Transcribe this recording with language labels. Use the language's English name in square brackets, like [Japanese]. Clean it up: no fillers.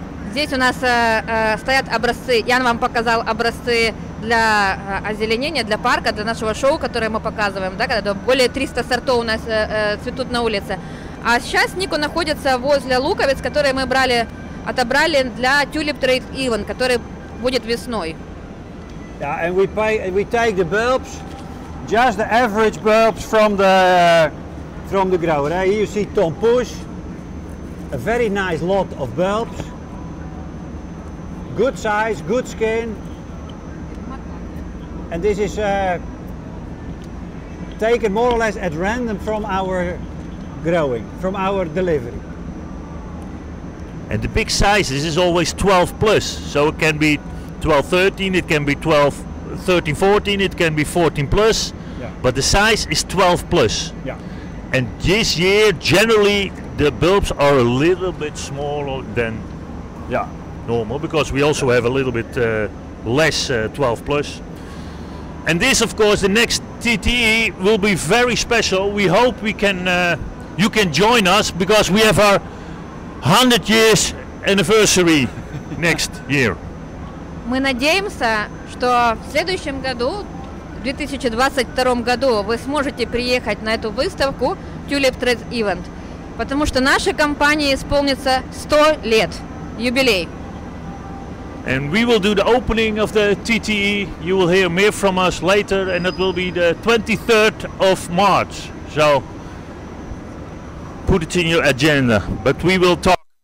[Russian] Здесь у нас стоят образцы. Ян вам показал образцы для озеленения, для парка, для нашего шоу, которое мы показываем, да, когда более 300 сортов у нас цветут на улице. А сейчас Нико находится возле луковиц, которые мы отобрали для Tulip Trade Event, который будет весной. [English] Yeah, and we take the bulbs, just the average bulbs from the grower. Here you see Tom Push, a very nice lot of bulbs, good size, good skin. And this is taken more or less at random from our growing, from our delivery. And the big size, this is always 12 plus, so it can be 12, 13, it can be 12, 13, 14, it can be 14 plus, but the size is 12 plus. Yeah. And this year, generally, the bulbs are a little bit smaller than normal, because we also have a little bit less 12 plus. And this, of course, the next TTE will be very special. We hope we can you can join us, because we have our 100 years anniversary next year. [Russian] Мы надеемся, что в следующем году, в 2022 году, вы сможете приехать на эту выставку Tulip Trade Event, потому что нашей компании исполнится 100 лет, юбилей. [English] And we will do the opening of the TTE. You will hear more from us later, and it will be the 23rd of March. So put it in your agenda, but we will talk.